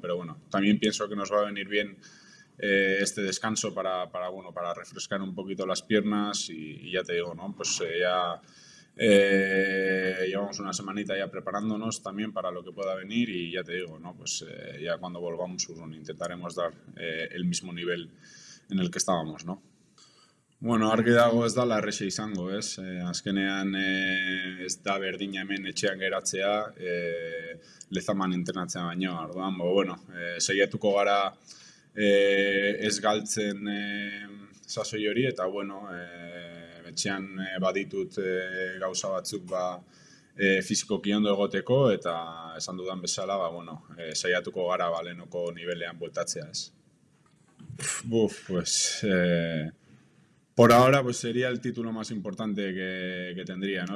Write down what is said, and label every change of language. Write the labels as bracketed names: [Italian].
[Spanish] Pero bueno, también pienso que nos va a venir bien este descanso bueno, para refrescar un poquito las piernas y ya te digo, ¿no? Pues ya llevamos una semanita ya preparándonos también para lo que pueda venir y ya te digo, ¿no? Pues ya cuando volvamos, pues, bueno, intentaremos dar el mismo nivel en el que estábamos, ¿no? [Basque] Bueno, argi dago ez dala erresa izango, ez? Azkenean ez da berdina hemen etxean geratzea Lezaman entrenatzea baino, arduan, bo, bueno, segiatuko gara ez galtzen sasoi hori eta bueno, etxean baditut gauza batzuk ba fisikoki ondo egoteko eta esan dudan bezala ba bueno, saiatuko gara ba lehenoko nibelean bueltatzea, ez. [Spanish] Buf, pues por ahora pues sería el título más importante que tendría, ¿no?